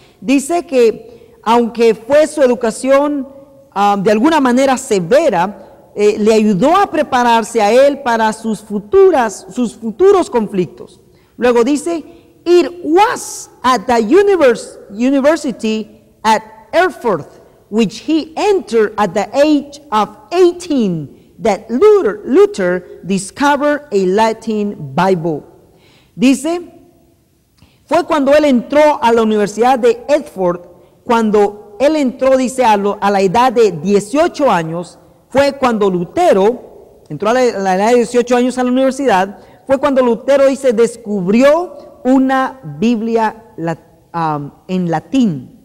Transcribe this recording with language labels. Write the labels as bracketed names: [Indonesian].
[Spanish] Dice que aunque fue su educación de alguna manera severa, le ayudó a prepararse a él para sus futuros conflictos. Luego dice, [English] it was at the university at Erfurt, which he entered at the age of 18, that Luther discovered a Latin Bible. [Spanish] Dice, fue cuando él entró a la Universidad de Erfurt, cuando él entró, dice, a la edad de 18 años, fue cuando Lutero, entró a la edad de 18 años a la universidad, fue cuando Lutero, dice, descubrió una Biblia en latín.